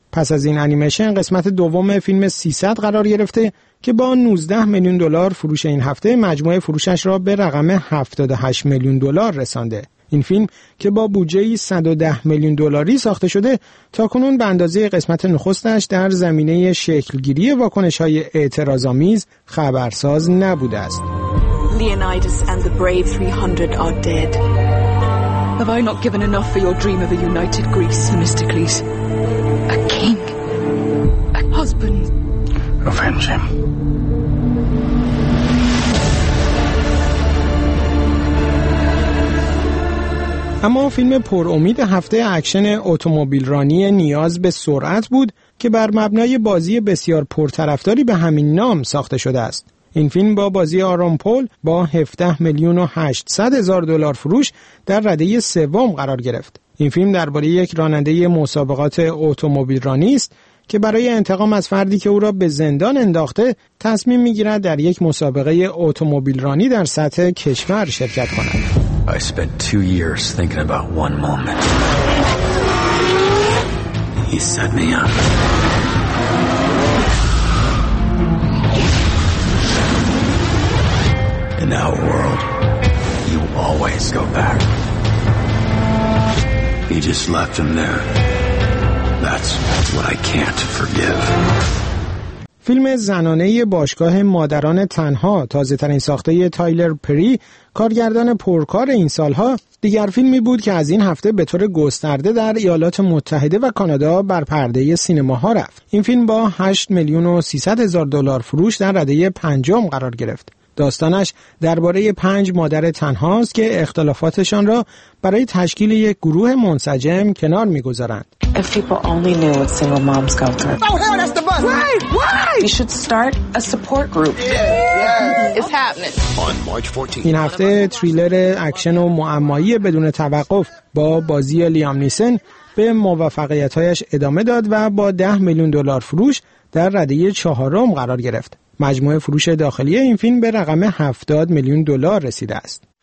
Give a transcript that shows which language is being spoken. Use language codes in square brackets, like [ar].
[fa] پس از این انیمیشن قسمت دوم فیلم 300 قرار گرفته که با 19 میلیون دلار فروش این هفته مجموع فروشش را به رقم 78 میلیون دلار رسانده. این فیلم که با بودجه‌ای 110 میلیون دلاری ساخته شده تاکنون به اندازه قسمت نخستش در زمینه شکل‌گیری واکنش‌های اعتراض‌آمیز خبرساز نبوده است. [en] Leonidas and the brave 300 are dead. Have I not given enough for your dream of a united Greece, Themistocles? A king. A husband. Avenge him. [fa] اما فیلم پر امید هفته اکشن اتومبیل رانی نیاز به سرعت بود که بر مبنای بازی بسیار پرطرفداری به همین نام ساخته شده است. این فیلم با بازی آرون پول با 17 میلیون و 800 هزار دلار فروش در رده سوم قرار گرفت. این فیلم درباره یک راننده مسابقات اتومبیل رانی است که برای انتقام از فردی که او را به زندان انداخته تصمیم میگیرد در یک مسابقه اتومبیل رانی در سطح کشور شرکت کند. [en] I spent 2 years thinking about one moment. He set me up. In our world, you always go back. He just left him there. That's what I can't forgive. [fa] فیلم زنانه باشگاه مادران تنها، تازه ترین ساخته تایلر پری، کارگردان پرکار این سالها، دیگر فیلمی بود که از این هفته به طور گسترده در ایالات متحده و کانادا بر پرده سینماها رفت. این فیلم با 8 میلیون و 300 هزار دلار فروش در رده پنجم قرار گرفت. داستانش درباره 5 مادر تنهاست که اختلافاتشان را برای تشکیل یک گروه منسجم کنار می‌گذارند. [en] If people only knew what single moms go through. Oh, hell, that's the button. Why? We should start a support group. It's happening. On March 14th. [fa] این هفته تریلر اکشن و معمایی بدون توقف با بازی لیام نیسن به موفقیت‌هایش ادامه داد و با 10 میلیون دلار فروش در رده 4 قرار گرفت. مجموع فروش داخلی این فیلم به رقم 70 میلیون دلار رسیده است.